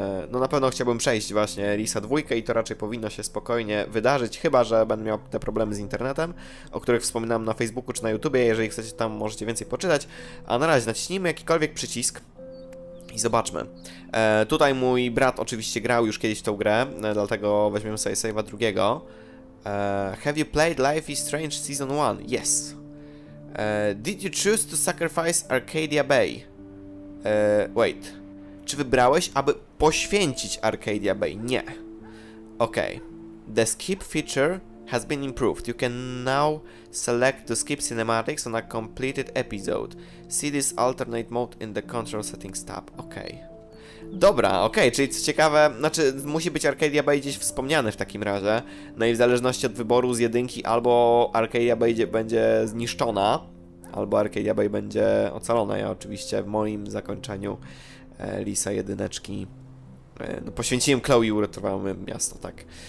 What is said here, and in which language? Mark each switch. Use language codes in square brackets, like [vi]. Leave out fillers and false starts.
[pl] No na pewno chciałbym przejść właśnie Risa 2 i to raczej powinno się spokojnie wydarzyć, chyba że będę miał te problemy z internetem, o których wspominałem na Facebooku czy na YouTubie, jeżeli chcecie tam możecie więcej poczytać. A na razie naciśnijmy jakikolwiek przycisk i zobaczmy. Tutaj mój brat oczywiście grał już kiedyś w tą grę, dlatego weźmiemy sobie save'a drugiego. [en] Have you played Life is Strange Season 1? Yes. Did you choose to sacrifice Arcadia Bay? Wait. [pl] Czy wybrałeś, aby poświęcić Arcadia Bay? Nie. Okay. [en] The skip feature has been improved. You can now select the skip cinematics on a completed episode. See this alternate mode in the control settings tab. Okay. [pl] Dobra, okej, okay, czyli co ciekawe, znaczy musi być Arcadia Bay gdzieś wspomniany w takim razie. No i w zależności od wyboru z jedynki albo Arcadia Bay będzie zniszczona, albo Arcadia Bay będzie ocalona. Ja oczywiście w moim zakończeniu Lisa jedyneczki no, poświęciłem Chloe i uratowałem miasto, tak.